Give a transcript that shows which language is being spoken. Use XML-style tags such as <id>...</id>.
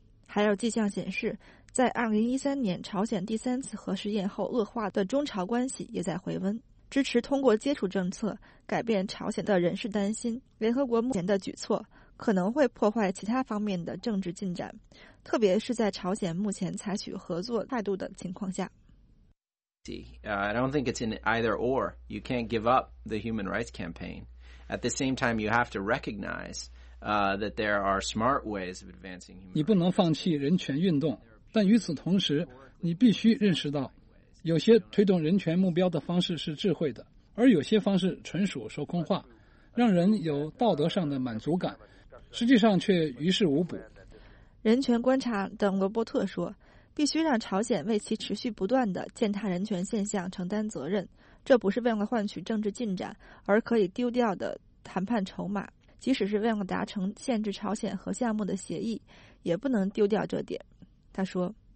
<zh>还有迹象显示，在2013年朝鲜第三次核试验后恶化的中朝关系也在回温。支持通过接触政策改变朝鲜的人士担心，联合国目前的举措可能会破坏其他方面的政治进展，特别是在朝鲜目前采取合作态度的情况下。</zh> <en>I don't think it's an either or. You can't give up the human rights campaign. At the same time, you have to recognize that there are smart ways of advancing human.</en> <zh>你不能放弃人权运动，但与此同时，你必须认识到，有些推动人权目标的方式是智慧的，而有些方式纯属说空话，让人有道德上的满足感，实际上却于事无补。人权观察的罗伯特说，必须让朝鲜为其持续不断的践踏人权现象承担责任，这不是为了换取政治进展而可以丢掉的谈判筹码，即使是为了达成限制朝鲜核项目的协议，也不能丢掉这点。他说，</zh>